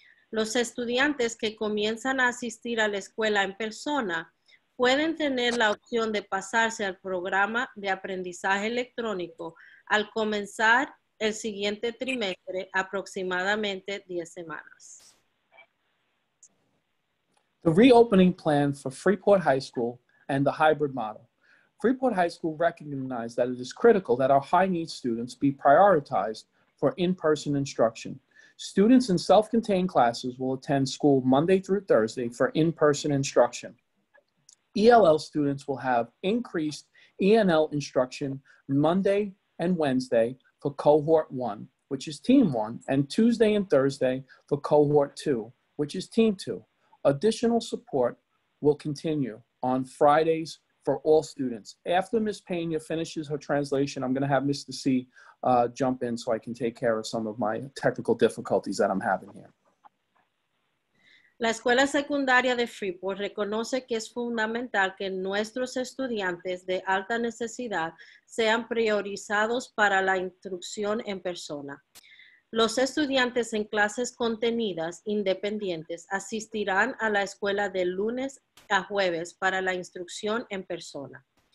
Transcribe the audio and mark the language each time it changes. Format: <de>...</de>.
<es>Los estudiantes que comienzan a asistir a la escuela en persona pueden tener la opción de pasarse al programa de aprendizaje electrónico al comenzar el siguiente trimestre, aproximadamente 10 semanas.</es> <en>The reopening plan for Freeport High School and the hybrid model. Freeport High School recognized that it is critical that our high-needs students be prioritized for in-person instruction. Students in self-contained classes will attend school Monday through Thursday for in-person instruction. ELL students will have increased ENL instruction Monday and Wednesday for cohort 1, which is team 1, and Tuesday and Thursday for cohort 2, which is team 2. Additional support will continue on Fridays for all students. After Ms. Pena finishes her translation, I'm gonna have Mr. C jump in so I can take care of some of my technical difficulties that I'm having here.</en> <es>La escuela secundaria de Freeport reconoce que es fundamental que nuestros estudiantes de alta necesidad sean priorizados para la instrucción en persona. Los estudiantes en clases contenidas independientes asistirán a la escuela de lunes a jueves para la instrucción en persona.</es>